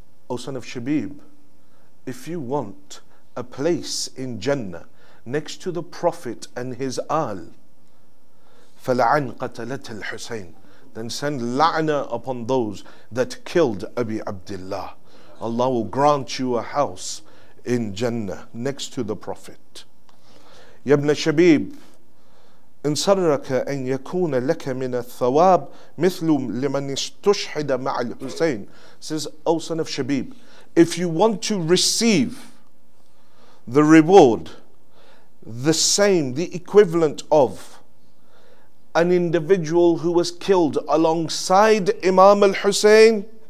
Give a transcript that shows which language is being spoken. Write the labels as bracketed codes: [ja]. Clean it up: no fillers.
[en] O son of Shabib, if you want a place in Jannah next to the Prophet and his Al, [ar] فلعن قتلت الحسين, [en] then send la'na upon those that killed Abi Abdullah. Allah will grant you a house in Jannah next to the Prophet. [ar] Yabna Shabib, إن سرك أن يكون لك من الثواب مثل لمن استشهد مع الحسين. [en] Says, O son of Shabib, if you want to receive the reward the same, the equivalent of an individual who was killed alongside Imam al-Hussein?